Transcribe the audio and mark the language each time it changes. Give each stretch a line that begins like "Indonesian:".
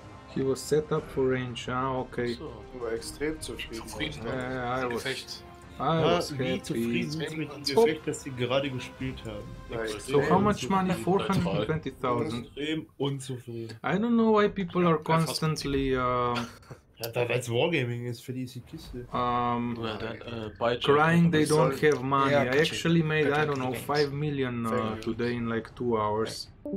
English: He was set up for range, okay.
German: So, war extrem zu spielen. Ja, Gefecht. Wie zufrieden sind sie mit dem Effekt, dass sie gerade gespielt haben?
English: So how much money? 420,000.
German: Extrem unzufrieden.
English: I don't know why people are constantly...
German: Weil es Wargaming ist, für die ist die Kiste.
English: Crying they don't have money. Yeah, I actually made, I don't know, 5 million today in like 2 hours.